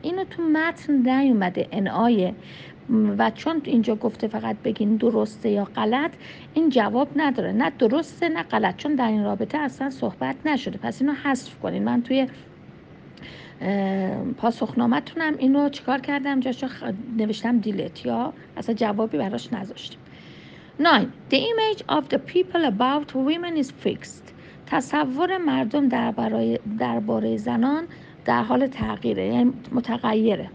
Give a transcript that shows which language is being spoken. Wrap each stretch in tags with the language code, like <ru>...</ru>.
<fa>اینو تو متن نیومده، انعایه، و چون اینجا گفته فقط بگین درسته یا غلط، این جواب نداره، نه درسته نه غلط، چون در این رابطه اصلا صحبت نشده. پس اینو حذف کنین. من توی پاسخنامتونم اینو چیکار کردم؟ جاشو نوشتم دیلیت یا اصلا جوابی براش نذاشتم. 9.</fa> <en>The image of the people about women is fixed.</en> <fa>تصور مردم درباره زنان در حال تغییره، یعنی متغیره.</fa>